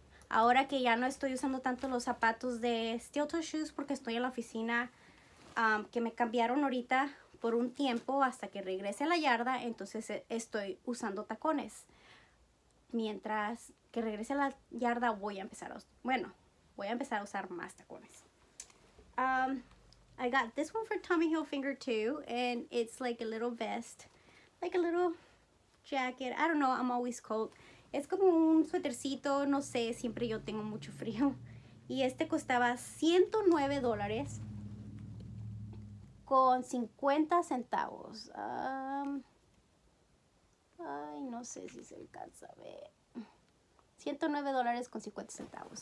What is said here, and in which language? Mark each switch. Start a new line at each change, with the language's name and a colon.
Spanish: Ahora que ya no estoy usando tanto los zapatos de
English: steel toe shoes
Spanish: porque estoy en la oficina, que me cambiaron ahorita por un tiempo hasta que regrese a la yarda, entonces estoy usando tacones. Mientras que regrese a la yarda voy a empezar a, bueno, voy a empezar a usar más tacones.
English: I got this one for Tommy Hilfiger too, and it's like a little vest, like a little jacket. I don't know, I'm always cold.
Spanish: Es como un suetercito, no sé, siempre yo tengo mucho frío. Y este costaba $109 con 50 centavos. Ay, no sé si se alcanza a ver. $109 con 50 centavos.